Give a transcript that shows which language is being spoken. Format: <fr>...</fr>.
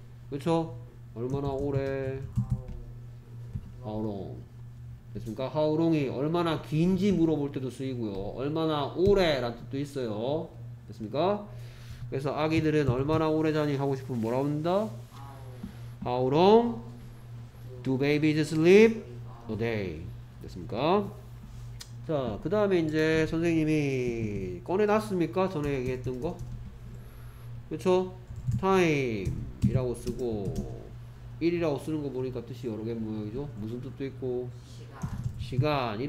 <ko>그쵸? 얼마나 오래?</ko> <en>How long?</en> <ko>됐습니까? How long이 얼마나 긴지 물어볼 때도 쓰이고요. 얼마나 오래라는 뜻도 있어요. 됐습니까? 그래서 아기들은 얼마나 오래 자니 하고 싶으면 뭐라고 합니다?</ko> <en>How long do babies sleep a day?</en> <ko>됐습니까? 자, 그 다음에 이제 선생님이 꺼내놨습니까? 전에 얘기했던 거? 그쵸? time 이라고 쓰고 1 이라고 쓰는 거 보니까 뜻이 여러 개 모양이죠? 무슨 뜻도 있고 시간</ko>